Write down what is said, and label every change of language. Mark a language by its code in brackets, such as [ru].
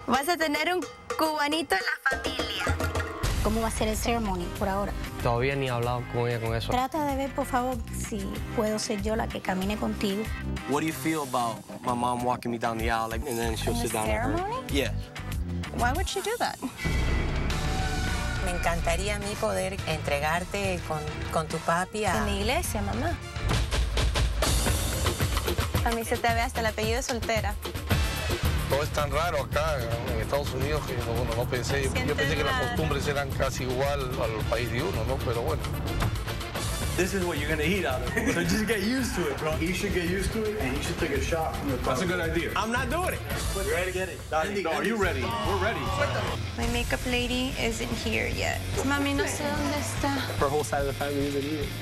[es] Vas a tener un cubanito en la familia. ¿Cómo va a ser el ceremony por ahora? Todavía ni he hablado con ella con eso. Trata de ver, por favor, si puedo ser yo la que camine contigo. [en] What do you feel about my mom walking me down the aisle and then she'll sit down? The ceremony? Yes. Why would she do that? [es] Me encantaría a mí poder entregarte con tu papi a... En la iglesia, mamá. A mí se te ve hasta el apellido de soltera. Todo es tan raro acá en Estados Unidos que bueno, no pensé. Yo pensé que las costumbres eran casi igual al país de uno, ¿no? Pero bueno. [en] This is what you're gonna eat out of. So just get used to it, bro. You should get used to it and you should take a shot from the car. That's a good idea. I'm not doing it. You ready to get it? Andy, no, are you ready? Oh. We're ready. My makeup lady isn't here yet. [es] Mami, no sé dónde está. [en] Her whole side of the family isn't here.